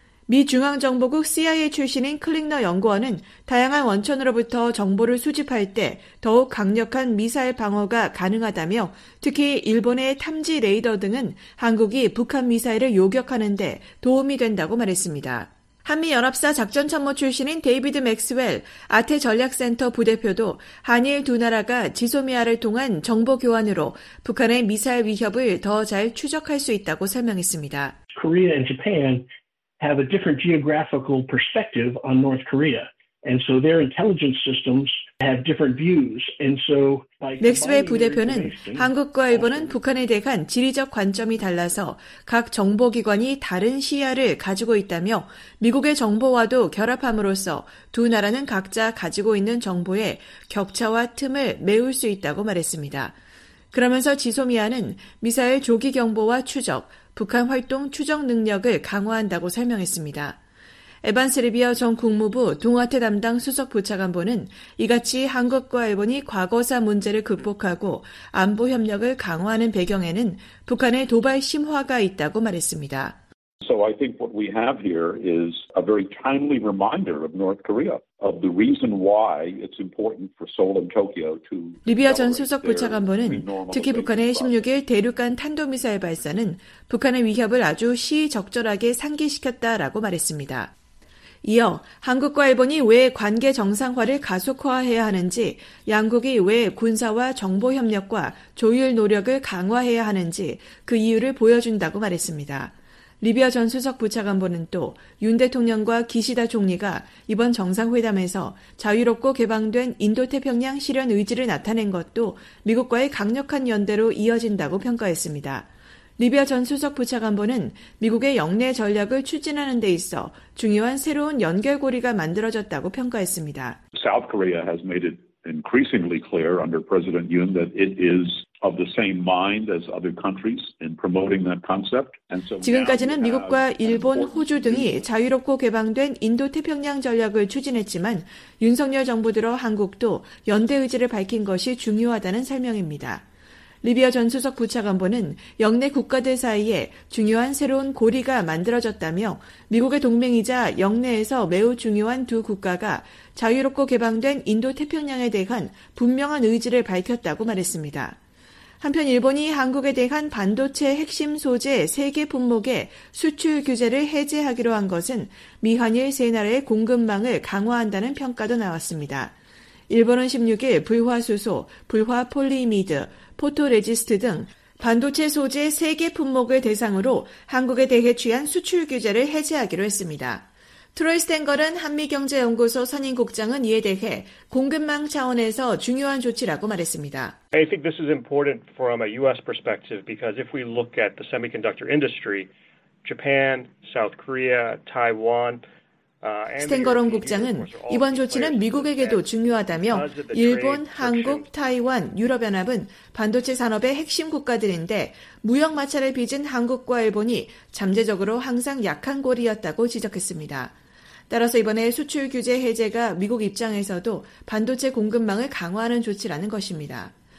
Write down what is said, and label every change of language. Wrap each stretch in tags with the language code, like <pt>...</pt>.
<ko>미 중앙정보국 CIA 출신인 클릭너 연구원은 다양한 원천으로부터 정보를 수집할 때 더욱 강력한 미사일 방어가 가능하다며 특히 일본의 탐지 레이더 등은 한국이 북한 미사일을 요격하는 데 도움이 된다고 말했습니다. 한미연합사 작전참모 출신인 데이비드 맥스웰 아태전략센터 부대표도 한일 두 나라가 지소미아를 통한 정보 교환으로 북한의 미사일 위협을 더 잘 추적할 수 있다고 설명했습니다.</ko> <en>Korea and Japan have a different geographical perspective on North Korea. And so their intelligence systems have different views. And so</en> <ko>맥스웰 부대표는 한국과 일본은 북한에 대한 지리적 관점이 달라서 각 정보기관이 다른 시야를 가지고 있다며 미국의 정보와도 결합함으로써 두 나라는 각자 가지고 있는 정보의 격차와 틈을 메울 수 있다고 말했습니다. 그러면서 지소미아는 미사일 조기 경보와 추적, 북한 활동 추적 능력을 강화한다고 설명했습니다. 에반스 리비어 전 국무부 동아태 담당 수석 부차관보는 이같이 한국과 일본이 과거사 문제를 극복하고 안보 협력을 강화하는 배경에는 북한의 도발 심화가 있다고 말했습니다.</ko> <en>So I think what we have here is a very timely reminder of North Korea of the reason why it's important for Seoul and Tokyo to</en> <ko>리비아 전 수석 부차관보는 특히 북한의 16일 대륙간 탄도미사일 발사는 북한의 위협을 아주 시의적절하게 상기시켰다라고 말했습니다. 이어 한국과 일본이 왜 관계 정상화를 가속화해야 하는지, 양국이 왜 군사와 정보 협력과 조율 노력을 강화해야 하는지 그 이유를 보여준다고 말했습니다. 리비아 전 수석 부차관보는 또 윤 대통령과 기시다 총리가 이번 정상회담에서 자유롭고 개방된 인도태평양 실현 의지를 나타낸 것도 미국과의 강력한 연대로 이어진다고 평가했습니다. 리비아 전 수석 부차관보는 미국의 역내 전략을 추진하는 데 있어 중요한 새로운 연결고리가 만들어졌다고 평가했습니다.</ko> <en>South Korea has made it increasingly clear under President Yoon that it is of the same mind as other countries in promoting that concept. And so</en> <ko>지금까지는 미국과 일본, 호주 등이 자유롭고 개방된 인도태평양 전략을 추진했지만 윤석열 정부 들어 한국도 연대 의지를 밝힌 것이 중요하다는 설명입니다. 리비아 전 수석 부차관보는 역내 국가들 사이에 중요한 새로운 고리가 만들어졌다며 미국의 동맹이자 역내에서 매우 중요한 두 국가가 자유롭고 개방된 인도태평양에 대한 분명한 의지를 밝혔다고 말했습니다. 한편 일본이 한국에 대한 반도체 핵심 소재 3개 품목의 수출 규제를 해제하기로 한 것은 미한일 세 나라의 공급망을 강화한다는 평가도 나왔습니다. 일본은 16일 불화수소, 불화폴리미드, 포토레지스트 등 반도체 소재 3개 품목을 대상으로 한국에 대해 취한 수출 규제를 해제하기로 했습니다. 트로이 스탱거른 한미경제연구소 선임국장은 이에 대해 공급망 차원에서 중요한 조치라고 말했습니다.</ko> <en>I think this is important from a U.S. perspective because if we look at the semiconductor industry, Japan, South Korea, Taiwan,</en> <ko>스탱거런 국장은 이번 조치는 미국에게도 중요하다며 일본, 한국, 타이완, 유럽연합은 반도체 산업의 핵심 국가들인데 무역 마찰을 빚은 한국과 일본이 잠재적으로 항상 약한 고리였다고 지적했습니다. 따라서 이번에 수출 규제 해제가 미국 입장에서도 반도체 공급망을 강화하는 조치라는 것입니다.</ko>